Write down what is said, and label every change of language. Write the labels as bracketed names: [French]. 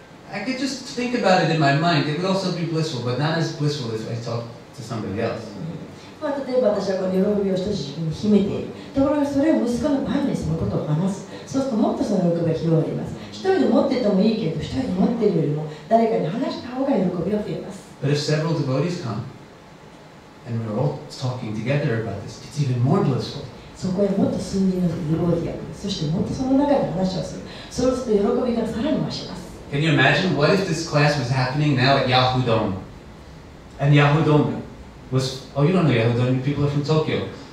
[English] I could just think about it in my mind. It would also be blissful, but not as blissful as if I talked to somebody else. [Japanese] まあ、例えば私はこの喜びを一つ自分に秘めている。ところがそれを息子の前にそのことを話す。そうするともっとその喜びが広がります。一人で持っててもいいけど、一人で持っているよりも誰かに話した方が喜びを増えます。 [English] But if several devotees come and we're all talking together about this, it's even more blissful. [Japanese] そこへもっと数人のデボディが来る。そしてもっとその中で話をする。そうすると喜びがさらに増します。 [English] Can you imagine what if this class was happening now at Yahoo Dome? And Yahoo Dome was, oh, you don't know Yahoo Dome, you people are from Tokyo.